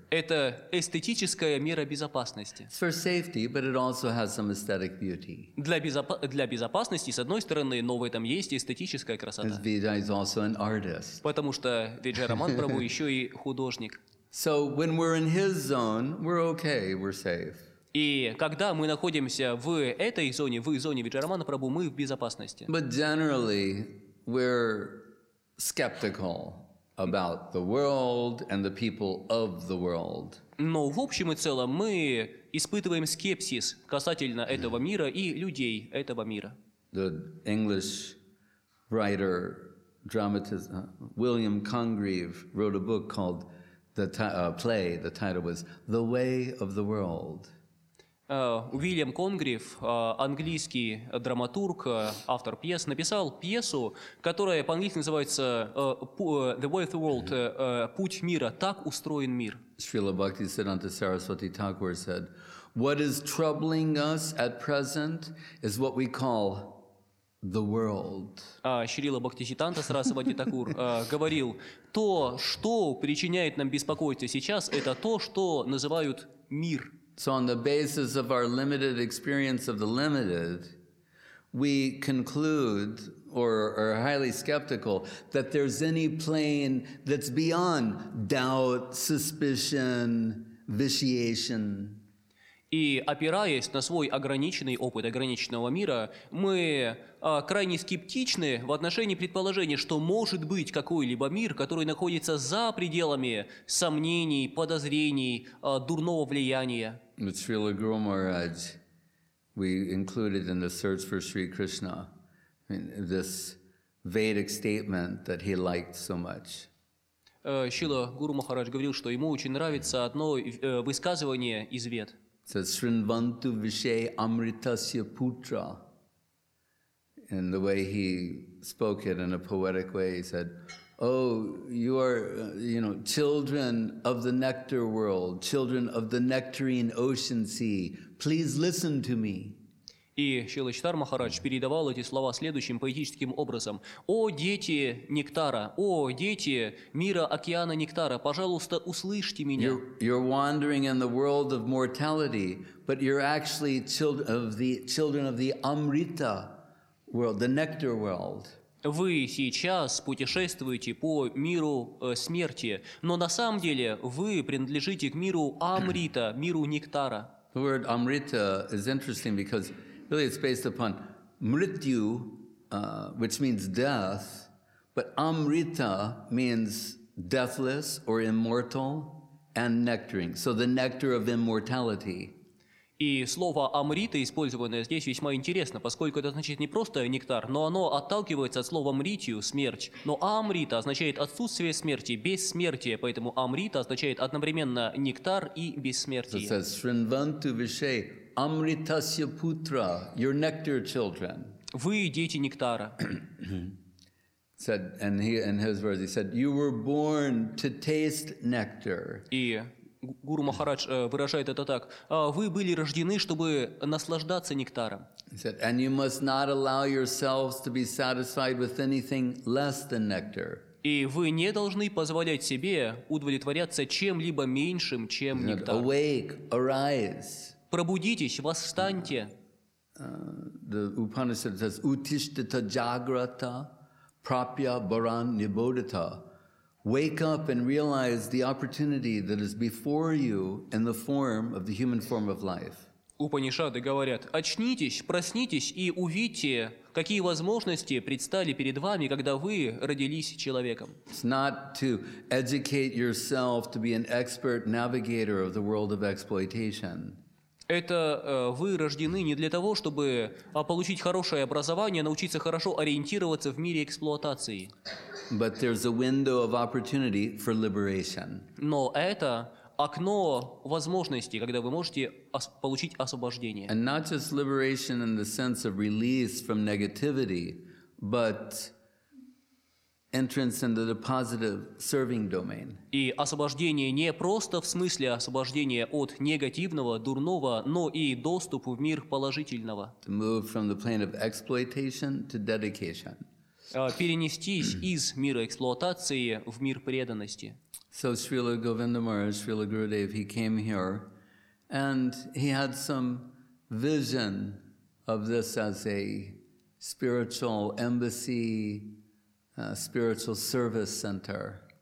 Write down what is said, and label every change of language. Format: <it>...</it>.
<ru>Это эстетическая мера безопасности.</ru> <en>It's for safety, but it also has some aesthetic beauty.</en> <ru>Для безопасности, с одной стороны, но в этом есть эстетическая красота.</ru> <en>Because Vijay is also an artist.</en> <ru>Потому что Виджайараман Прабху еще и художник.</ru> <en>So when we're in his zone, we're okay, we're safe.</en> <ru>И когда мы находимся в этой зоне, в зоне Виджайарамана Прабху, мы в безопасности.</ru> <en>But generally, we're skeptical about the world and the people of the world.</en> <ru>Но в общем и целом мы испытываем скепсис касательно этого мира и людей этого мира.</ru> <en>The English writer, dramatist William Congreve wrote a book called play. The title was "The Way of the World."</en> <ru>Уильям Конгрив, английский драматург, автор пьес, написал пьесу, которая по-английски называется «The Way of the World» – «Путь мира». Так устроен мир.</ru> <en>Шрила Бхакти Сиддханта Сарасвати Тхакур said, «What is troubling us at present is what we call the world».</en> <ru>Шрила Бхакти Сиддханта Сарасвати Тхакур говорил, «То, что причиняет нам беспокойство сейчас, это то, что называют мир».</ru> <en>So on the basis of our limited experience of the limited, we conclude or are highly skeptical that there's any plane that's beyond doubt, suspicion, vitiation.</en> <ru>И опираясь на свой ограниченный опыт ограниченного мира, мы крайне скептичны в отношении предположения, что может быть какой-либо мир, который находится за пределами сомнений, подозрений, дурного влияния.</ru> <en>With Srila Guru Maharaj, we included in the search for Sri Krishna this Vedic statement that he liked so much.</en> <ru>Srila Guru Maharaj говорил, что ему очень нравится одно высказывание из Вед.</ru> <en>It says,</en> <sa>Srinvantu Vishay Amritasya Putra.</sa> <en>And the way he spoke it in a poetic way, he said, Oh, you are, you know, children of the nectar world, children of the nectarine ocean sea. Please listen to me.</en> <ru>И Шрила Читар Махарадж передавал эти слова следующим поэтическим образом. «О, дети нектара! О, дети мира океана нектара! Пожалуйста, услышьте меня!»</ru> <en>You're wandering in the world of mortality, but you're actually children of the Amrita world, the nectar world.</en> <ru>Вы сейчас путешествуете по миру смерти, но на самом деле вы принадлежите к миру Амрита, миру нектара.</ru> <en>The word Amrita is interesting because really, it's based upon mrityu, which means death, but amrita means deathless or immortal, and nectaring. So the nectar of immortality.</en> <ru>И слово амрита, использованное здесь, весьма интересно, поскольку это значит не просто нектар, но оно отталкивается от слова мритью, смерть. Но амрита означает отсутствие смерти, бессмертие, поэтому амрита означает одновременно нектар и бессмертие.</ru> <en>It says,</en> <sa>Shrinvantu Vishay, Amritasya Putra,</sa> <en>your nectar children.</en> <ru>Вы дети нектара.</ru> <en>Said, and he, in his words, he said, you were born to taste nectar.</en> <ru>И Гуру Махарадж выражает это так. Вы были рождены, чтобы наслаждаться нектаром.</ru> <en>He said, and you must not allow yourselves to be satisfied with anything less than nectar.</en> <ru>И вы не должны позволять себе удовлетворяться чем-либо меньшим, чем</ru> <en>said,</en> <ru>нектар.</ru> <en>Awake, arise.</en> <ru>Пробудитесь, восстаньте.</ru> <en>The Upanishad says,</en> <sa>Utishtita Jagrata Prapya Bharan Nibodhita.</sa> <en>Wake up and realize the opportunity that is before you in the form of the human form of life.</en> <ru>Упанишады говорят, очнитесь, проснитесь и увидьте, какие возможности предстали перед вами, когда вы родились человеком.</ru> <en>It's not to educate yourself to be an expert navigator of the world of exploitation.</en> <ru>Это вы рождены не для того, чтобы получить хорошее образование, научиться хорошо ориентироваться в мире эксплуатации.</ru> <en>But there's a window of opportunity for liberation.</en> <ru>Но это окно возможностей, когда вы можете получить освобождение.</ru> <en>And not just liberation in the sense of release from negativity, but entrance into the positive serving domain.</en> <ru>И освобождение не просто в смысле освобождения от негативного, дурного, но и доступ в мир положительного.</ru> <en>To move from the plane of exploitation to dedication.</en> <ru>Перенестись из мира эксплуатации в мир преданности.</ru> <en>So Srila Govinda Maharaj, Srila Gurudev, he came here and he had some vision of this as a spiritual embassy, spiritual service center.</en>